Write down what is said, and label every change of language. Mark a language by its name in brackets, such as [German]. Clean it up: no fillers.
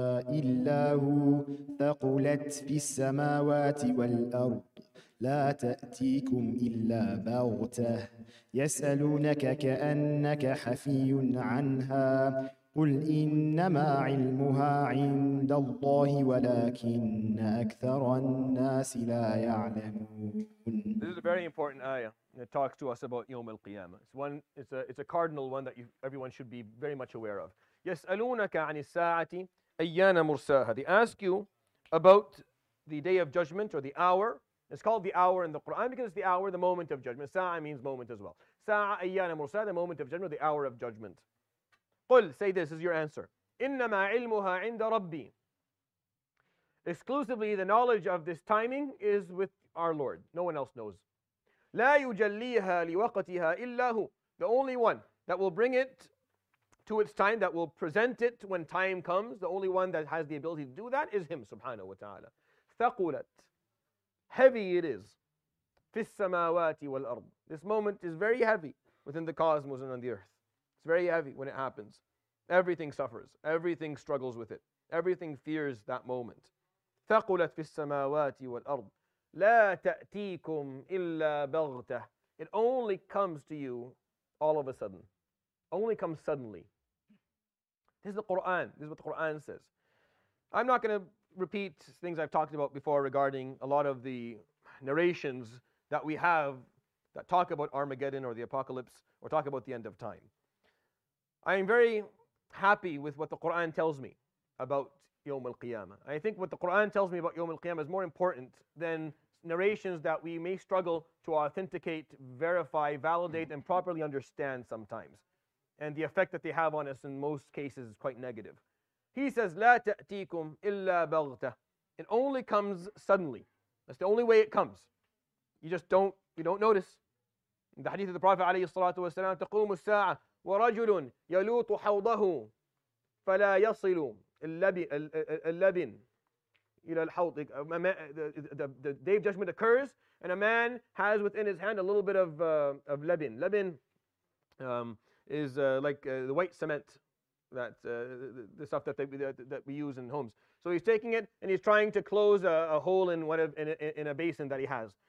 [Arabic] إلا هو ثقلت في السماوات والأرض لا تأتيكم إلا بغتة يسألونك كأنك حفي عنها قل إنما علمها عند الله ولكن أكثر الناس لا يعلمون. [English] This is a very important ayah. It talks to us about يوم القيامة. It's one. It's a cardinal one that everyone should be very much aware of. [Arabic] يسألونك عن الساعة أيان مرساها. [English] They ask you about the day of judgment or the hour. It's called the hour in the Quran because it's the hour, the moment of judgment. ساعة means moment as well. [Arabic] ساعة أيان مرساها, [English] the moment of judgment, the hour of judgment. قل, say this is your answer. [Arabic] إنما علمها عند ربي. [English] Exclusively, the knowledge of this timing is with our Lord. No one else knows. [Arabic] لا يجليها لوقتها إلا هو. [English] The only one that will bring it to its time, that will present it when time comes, the only one that has the ability to do that is Him, سبحانه وتعالى. [Arabic] ثقلت. [English] Heavy it is. [Arabic] في السماوات والأرض. [English] This moment is very heavy within the cosmos and on the earth. It's very heavy when it happens. Everything suffers. Everything struggles with it. Everything fears that moment. [Arabic] ثقلت في السماوات والأرض لا تأتيكم إلا بغتة. [English] It only comes to you all of a sudden. Only comes suddenly. This is the Quran. This is what the Quran says. I'm not going to repeat things I've talked about before regarding a lot of the narrations that we have that talk about Armageddon or the apocalypse or talk about the end of time. I am very happy with what the Qur'an tells me about Yawm al-Qiyamah. I think what the Qur'an tells me about Yawm al-Qiyamah is more important than narrations that we may struggle to authenticate, verify, validate, and properly understand sometimes. And the effect that they have on us in most cases is quite negative. He says, [Arabic] لا تأتيكم إلا بغتة. [English] It only comes suddenly. That's the only way it comes. You don't notice. In the hadith of the Prophet [Arabic] عليه الصلاة والسلام, تقوم الساعة ورجل يلوط حوضه فلا يصل اللبن إلى الحوض. [English] The day of judgment occurs and a man has within his hand a little bit of lebin. Lebin is like the white cement, that the stuff that we use in homes. So he's taking it and he's trying to close a hole in a basin that he has.